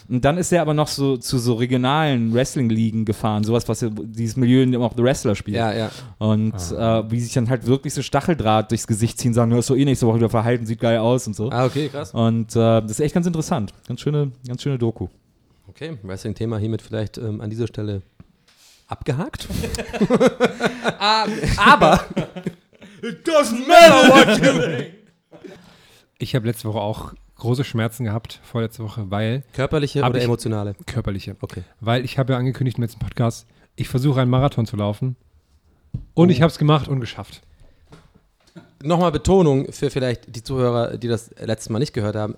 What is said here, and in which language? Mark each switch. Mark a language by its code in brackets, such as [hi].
[de] Und dann ist er aber noch so zu so regionalen Wrestling-Ligen gefahren, sowas, was dieses Milieu, in dem auch The Wrestler spielt. Ja, ja. Und wie sich dann halt wirklich so Stacheldraht durchs Gesicht ziehen, sagen, hörst du eh nächste Woche wieder verhalten, sieht geil aus und so. Ah, okay, krass. Und das ist echt ganz interessant. Ganz schöne Doku. Okay, Wrestling-Thema hiermit vielleicht an dieser Stelle abgehakt. aber [en] it doesn't matter what you think. [de] Ich habe letzte Woche auch große Schmerzen gehabt, vorletzte Woche, weil körperliche oder emotionale? Körperliche. Okay. Weil ich habe ja angekündigt im letzten Podcast, ich versuche einen Marathon zu laufen und ich habe es gemacht und geschafft. Nochmal Betonung für vielleicht die Zuhörer, die das letzte Mal nicht gehört haben.